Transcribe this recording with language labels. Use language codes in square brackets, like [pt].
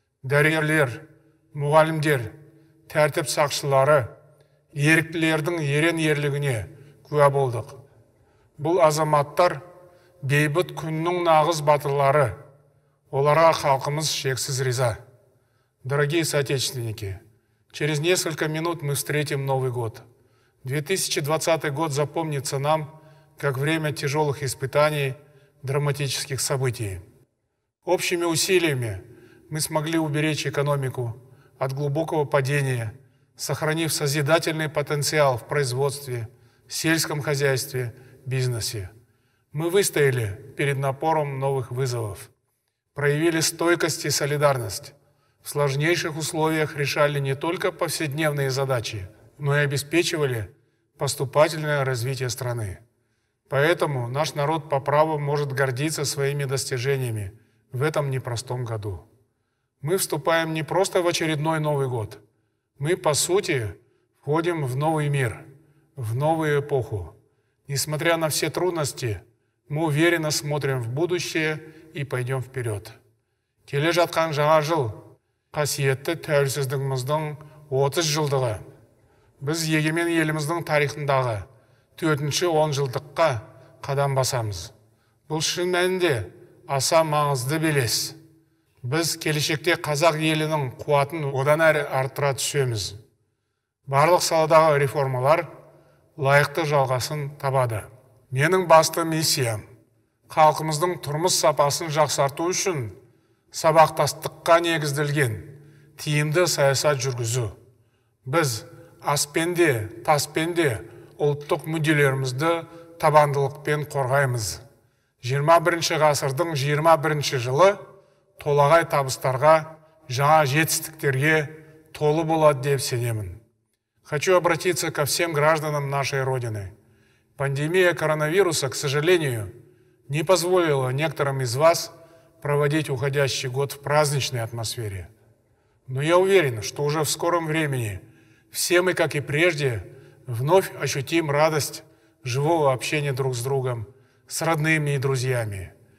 [kk] Дәрігерлер, мұғалімдер, тәртіп сақшылары, еріктілердің ерен ерлігіне куә болдық. Бұл азаматтар бейбіт күннің нағыз батырлары. Оларға халқымыз шексіз риза. [ru] Дорогие соотечественники, через несколько минут мы встретим Новый год. 2020 год запомнится нам как время тяжелых испытаний, драматических событий. Общими усилиями мы смогли уберечь экономику от глубокого падения, сохранив созидательный потенциал в производстве, сельском хозяйстве, бизнесе. Мы выстояли перед напором новых вызовов, проявили стойкость и солидарность, в сложнейших условиях решали не только повседневные задачи, но и обеспечивали поступательное развитие страны. Поэтому наш народ по праву может гордиться своими достижениями в этом непростом году. Мы вступаем не просто в очередной Новый год. Мы, по сути, входим в новый мир, в новую эпоху. Несмотря на все трудности, мы уверенно смотрим в будущее и пойдем вперед. [kk] Келе жатқан жаңа жыл, қасиетті тәуелсіздігіміздің 30 жылдығы. біз егемен еліміздің тарихындағы 4-ші 10 жылдыққа қадам басамыз. Бұл шын мәнінде аса маңызды белес. Біз келешекте қазақ елінің қуатын одан әрі арттыра түсеміз. Барлық саладағы реформалар лайықты жалғасын табады. Менің басты миссиям халқымыздың тұрмыс сапасын жақсарту үшін сабақтастыққа негізделген тиімді саясат жүргізу. Біз аспенде, таспенде ұлттық мүдделерімізді табандылықпен қорғаймыз. 21-ші ғасырдың 21-ші жылы толағай табыстарға, жаңа жетістіктерге толы болады деп сенемін. [ru] Хочу обратиться ко всем гражданам нашей Родины. Пандемия коронавируса, к сожалению, не позволила некоторым из вас проводить уходящий год в праздничной атмосфере. Но я уверен, что уже в скором времени все мы, как и прежде, вновь ощутим радость живого общения друг с другом, с родными и друзьями.